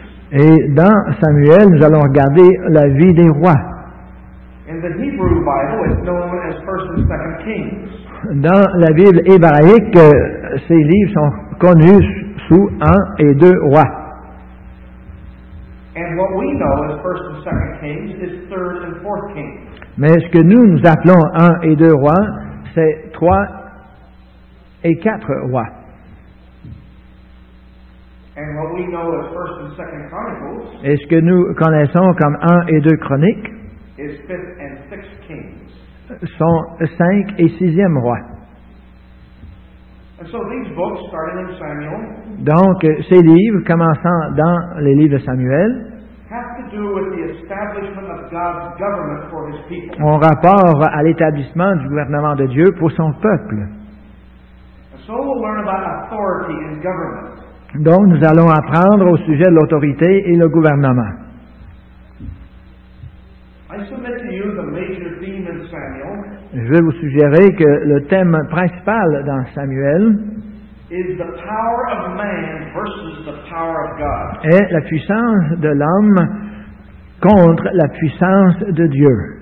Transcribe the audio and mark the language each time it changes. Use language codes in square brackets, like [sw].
[fr] Et dans Samuel, nous allons regarder la vie des rois. [en] In the Hebrew Bible, it's known as 1st and 2nd Kings. [fr] Dans la Bible hébraïque, ces livres sont connus sous 1 et 2 rois. [en] And what we know as 1st and 2nd Kings is 3rd and 4th Kings. [fr] Mais ce que nous appelons 1 et 2 rois, c'est 3 et 4 rois. [en] And what we know as 1st and 2nd Chronicles. [fr] Et ce que nous connaissons comme 1 et 2 chroniques. [en] Is fifth and sixth kings. [fr] Sont cinq et sixième rois. [en] And so these books, starting in Samuel, [fr] donc, ces livres, commençant dans les livres de Samuel, [en] have to do with the establishment of God's government for his people. [fr] Ont rapport à l'établissement du gouvernement de Dieu pour son peuple. [en] And so we'll learn about authority and government. [fr] Donc, nous allons apprendre au sujet de l'autorité et le gouvernement. Je vais vous suggérer que le thème principal dans Samuel est la puissance de l'homme contre la puissance de Dieu.